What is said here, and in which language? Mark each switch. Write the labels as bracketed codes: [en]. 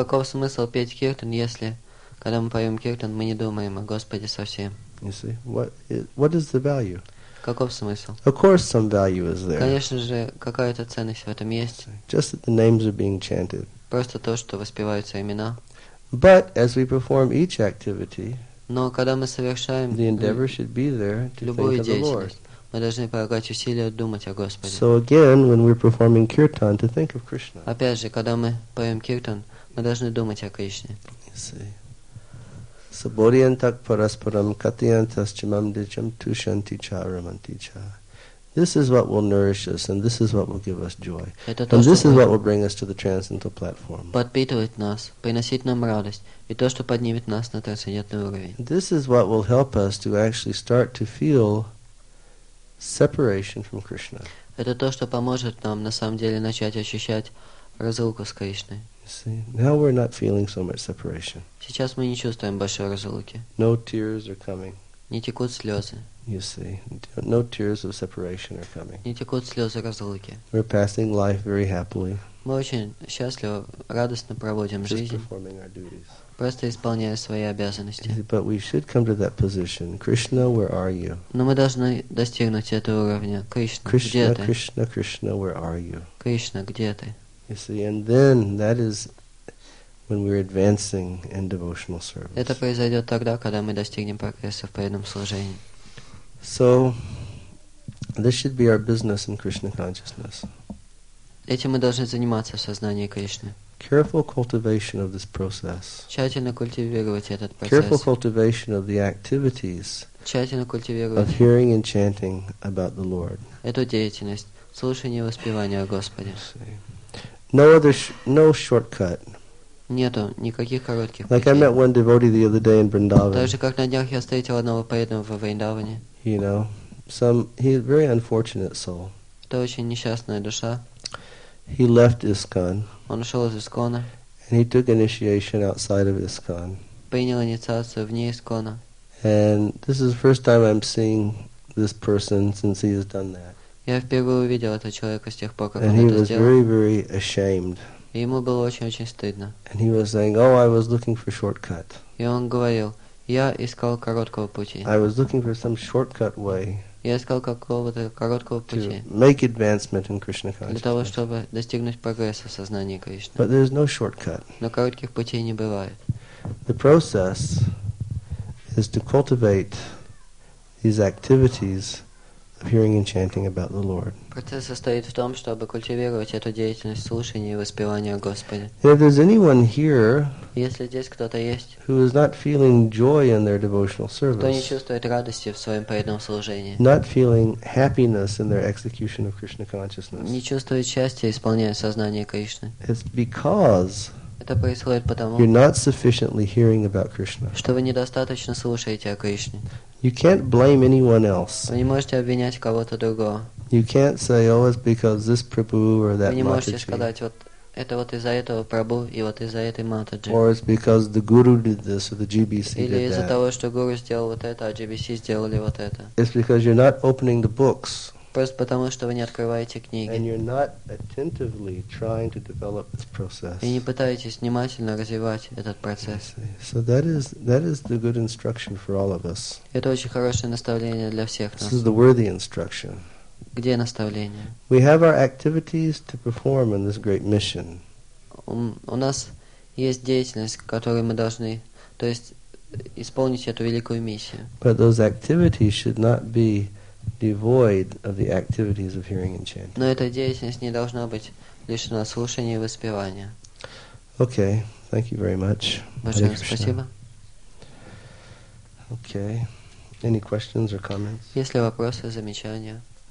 [ru] Каков смысл петь киртан, если когда мы поем киртан, мы не думаем о Господе совсем? [en] You see, what is the value? [ru] Каков смысл? [en] Of course some value is there. [ru] Конечно же, какая-то ценность в этом есть. [en] Just that the names are being chanted. [ru] Просто то, что воспеваются имена. [en] But as we perform each activity, [ru] но когда мы совершаем любую деятельность, мы должны прилагать усилия думать о Господе. [en] So again, when we're performing kirtan, to think of Krishna. [ru] Опять же, когда мы поем киртан, мы должны думать о Кришне. [sa] Саборьянтак параспарам катьянтасчамам дичам тушанти ча раманти ча. [en] This is what will nourish us, and this is what will give us joy. And this is what will bring us to the transcendental platform. [ru] Подпитывает нас, приносит нам радость, и то, что поднимет нас на трансцендентный уровень. [en] This is what will help us to actually start to feel separation from Krishna. [ru] Это то, что поможет нам на самом деле начать ощущать разлуку с Кришной. [en] See, now we're not feeling so much separation. [ru] Сейчас мы не чувствуем большой разлуки. [en] No tears are coming. [ru] Не текут слезы. [en] You see, no tears of separation are coming. [ru] Не текут слезы разлуки. [en] We're passing life very happily. [ru] Мы очень счастливо, радостно проводим [en] just [ru] жизнь. [en] Just performing our duties. [ru] Просто исполняя свои обязанности. [en] But we should come to that position. Krishna, where are you? [ru] Но мы должны достигнуть этого уровня. Krishna, где ты? [en] Krishna, Krishna, where are you? [ru] Krishna, где ты? [en] You see, and then that is when we're advancing in devotional service. [ru] Это произойдет тогда, когда мы достигнем прогресса в преданном служении. [en] So this should be our business in Krishna consciousness. [ru] Этим мы должны заниматься в сознании Кришны. [en] Careful cultivation of this process. [ru] Тщательно культивировать этот процесс. [en] Careful cultivation of the activities. [ru] Тщательно культивировать. [en] Of hearing and chanting about the Lord. [ru] Эту деятельность слушания и воспевания о Господе. [en] No shortcut. [ru] Нету никаких коротких путей. [en] Like I met one devotee the other day in Vrindavan. [ru] Так же, как на днях я встретил одного преданного во Вриндаване. [en] You know, he's a very unfortunate soul. [ru] Это очень несчастная душа. [en] He left ISKCON. [ru] Он ушел из ИСККОНа. [en] And he took initiation outside of ISKCON. [ru] Принял инициацию вне ИСККОНа. [en] And this is the first time I'm seeing this person since he has done that. [ru] Я впервые увидел этого человека с тех пор, как он это сделал. [en] And he was very, very ashamed. [ru] И ему было очень-очень стыдно. [en] And he was saying, "Oh, I was looking for shortcut." [ru] И он говорил, я искал короткого пути. [en] I was looking for some shortcut way. [ru] Я искал какого-то короткого пути. [en] To make advancement in Krishna consciousness. [ru] Для того, чтобы достигнуть прогресса в сознании Кришны. [en] But there's no shortcut. [ru] Но коротких путей не бывает. [en] The process is to cultivate these activities of hearing and chanting about the Lord. [ru] Процесс состоит в том, чтобы культивировать эту деятельность слушания и воспевания о Господе. [en] If there's anyone here, [ru] если здесь кто-то есть, [en] who is not feeling joy in their devotional service, [ru] кто не чувствует радости в своем преданном служении, [en] not feeling happiness in their execution of Krishna consciousness, [ru] не чувствует счастья, исполняя сознание Кришны, [en] it's because [ru] это происходит потому, [en] you're not sufficiently hearing about Krishna, [ru] что вы недостаточно слушаете о Кришне. [en] You can't blame anyone else. [ru] Вы не можете обвинять кого-то другого. [en] You can't say, "Oh, it's because this Prabhu or that Mataji." [ru] Вы не можете сказать, вот это вот из-за этого Прабу и вот из-за этой Матаджи. [en] Or it's because the Guru did this or the GBC did that. [ru] Или из-за того, что Гуру сделал вот это, а GBC сделали вот это. [en] It's because you're not opening the books. [ru] Просто потому, что вы не открываете книги. [en] And you're not attentively trying to develop this process. [ru] И не пытаетесь внимательно развивать этот процесс. [en] So that is the good instruction for all of us. [ru] Это очень хорошее наставление для всех нас. [en] This is the worthy instruction. [ru] Где наставление? [en] We have our activities to perform in this great mission. [ru] У нас есть деятельность, которой мы должны, то есть исполнить эту великую миссию. [en] But those activities should not be devoid of the activities of hearing and chanting. [ru] Но эта деятельность не должна быть лишена слушания и воспевания. [en] Okay, thank you very much. [ru] Большое спасибо. [en] Okay, any questions or comments? [ru] Есть ли вопросы, замечания?